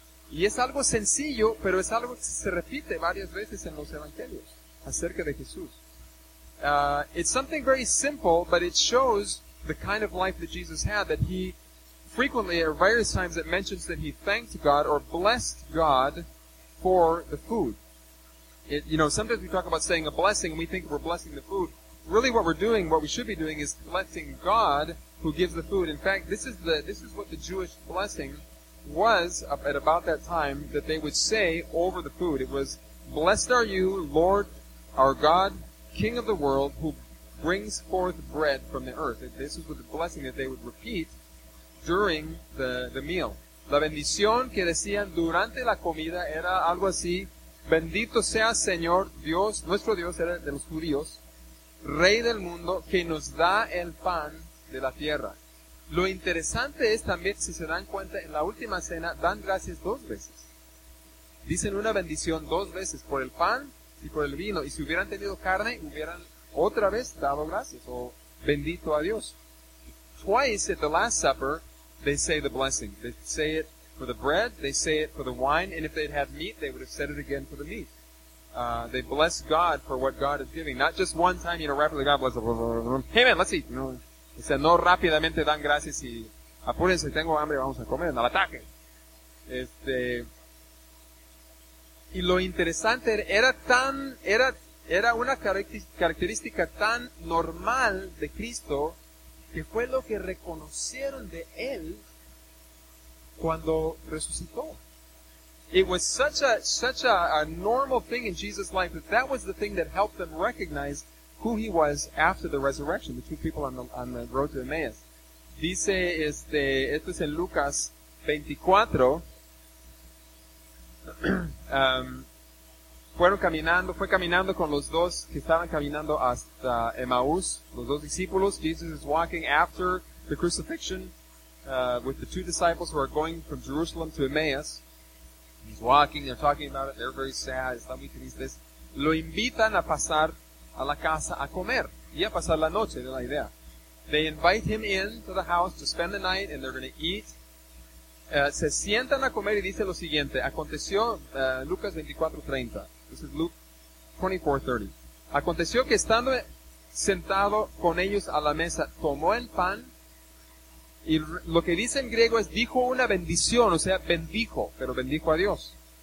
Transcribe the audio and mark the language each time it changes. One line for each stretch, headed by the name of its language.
Spanish: Y es algo sencillo, pero es algo que se repite varias veces en los evangelios acerca de Jesús.
English: It's something very simple, but it shows the kind of life that Jesus had, that he frequently, or various times, it mentions that he thanked God or blessed God for the food. It, you know, sometimes we talk about saying a blessing, and we think we're blessing the food. Really what we're doing, what we should be doing, is blessing God who gives the food. In fact, this is what the Jewish blessing was at about that time that they would say over the food. It was, "Blessed are you, Lord, our God, King of the world, who brings forth bread from the earth." This was the blessing that they would repeat during the meal.
Spanish: La bendición que decían durante la comida era algo así, "Bendito sea Señor Dios, nuestro Dios", era de los judíos, "Rey del mundo, que nos da el pan de la tierra." Lo interesante es también, si se dan cuenta, en la última cena dan gracias dos veces. Dicen una bendición dos veces, por el pan y por el vino. Y si hubieran tenido carne, hubieran otra vez dado gracias, o bendito a Dios.
English: Twice at the Last Supper, they say the blessing. They say it for the bread, they say it for the wine, and if they'd had meat, they would have said it again for the meat. They bless God for what God is giving. Not just one time, you know, rapidly, God bless them. Hey man, let's eat. No.
Spanish: O sea, no rápidamente dan gracias y apúrense, tengo hambre, vamos a comer, al ataque. Y lo interesante era una característica tan normal de Cristo que fue lo que reconocieron de Él cuando resucitó.
English: It was such a normal thing in Jesus' life that was the thing that helped them recognize who he was after the resurrection, the two people on the road to Emmaus.
Spanish: Dice, esto es en Lucas 24. fue caminando con los dos que estaban caminando hasta Emmaus, los dos discípulos.
English: Jesus is walking after the crucifixion with the two disciples who are going from Jerusalem to Emmaus. He's walking, they're talking about it, they're very sad.
Spanish: Están muy tristes. Lo invitan a pasar a la casa a comer y a pasar la noche, de la idea.
English: They invite him in to the house to spend the night and they're going to eat.
Spanish: Se sientan a comer y dice lo siguiente. Aconteció, Lucas 24:30.
English: This is Luke 24:30.
Spanish: Aconteció que estando sentado con ellos a la mesa, tomó el pan y lo que dice en griego es dijo una bendición, o sea, bendijo, pero bendijo a Dios.